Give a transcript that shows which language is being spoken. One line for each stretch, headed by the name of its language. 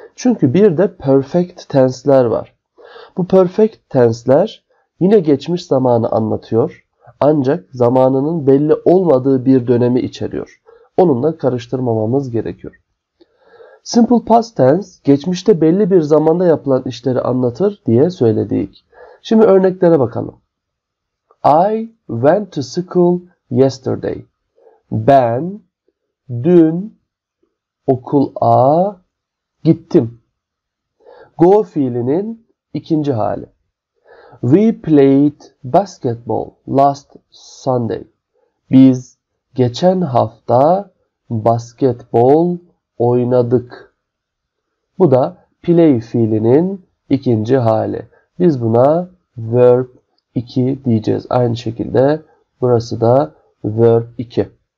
Turkish: Çünkü bir de perfect tense'ler var. Bu perfect tense'ler yine geçmiş zamanı anlatıyor. Ancak zamanının belli olmadığı bir dönemi içeriyor. Onunla karıştırmamamız gerekiyor. Simple past tense geçmişte belli bir zamanda yapılan işleri anlatır diye söyledik. Şimdi örneklere bakalım.
English: I went to school yesterday.
Turkish: Ben dün okula gittim. Go fiilinin ikinci hali.
English: We played basketball last Sunday.
Turkish: Biz geçen hafta basketbol oynadık. Bu da play fiilinin ikinci hali. Biz buna verb 2 diyeceğiz. Aynı şekilde burası da verb 2.